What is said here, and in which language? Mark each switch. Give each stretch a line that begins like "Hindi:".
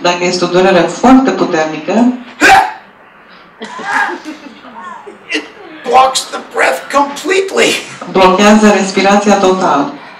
Romanian: dacă este o durere foarte puternică,
English: it blocks the breath completely.
Romanian: Blochează respirația total.